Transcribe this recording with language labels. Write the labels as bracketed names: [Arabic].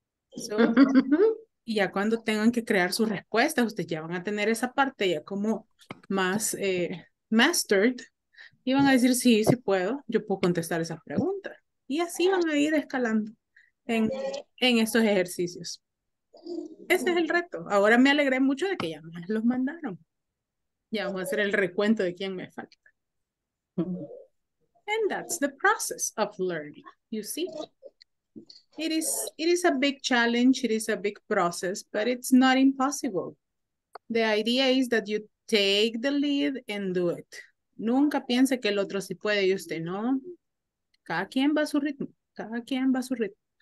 [Spanish] So, y ya cuando tengan que crear sus respuestas, ustedes ya van a tener esa parte ya como más mastered, y van a decir, sí, sí puedo, yo puedo contestar esas preguntas. Y así van a ir escalando en estos ejercicios. Ese es el reto. Ahora me alegré mucho de que ya me los mandaron. Ya vamos a hacer el recuento de quién me falta. [English] And that's the process of learning, you see. It is a big challenge, it is a big process, but it's not impossible. The idea is that you take the lead and do it. [Spanish] Nunca piense que el otro sí puede y usted no. Cada quien va a su ritmo, cada quien va a su ritmo.